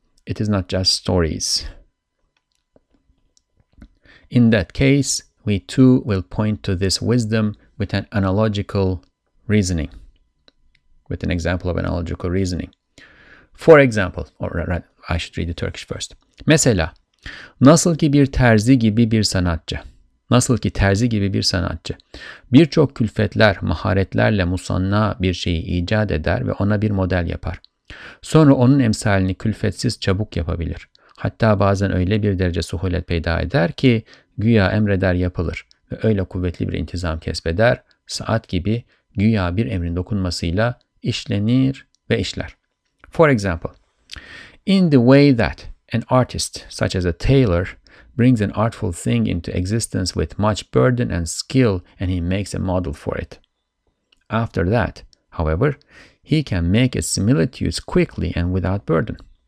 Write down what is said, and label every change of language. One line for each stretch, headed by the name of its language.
English: It is not just stories. In that case, we too will point to this wisdom with an analogical reasoning, with an example of analogical reasoning. For example, I should read the Turkish first.
Turkish: Mesela, nasıl ki bir terzi gibi bir sanatçı. Nasıl ki terzi gibi bir sanatçı. Birçok külfetler, maharetlerle musanna bir şeyi icat eder ve ona bir model yapar. Sonra onun emsalini külfetsiz çabuk yapabilir. Hatta bazen öyle bir derece suhulet peyda eder ki güya emreder yapılır. Ve öyle kuvvetli bir intizam kesbeder, saat gibi güya bir emrin dokunmasıyla işlenir ve işler.
English: For example, in the way that an artist, such as a tailor, brings an artful thing into existence with much burden and skill, and he makes a model for it. After that, however, he can make its similitudes quickly and without burden.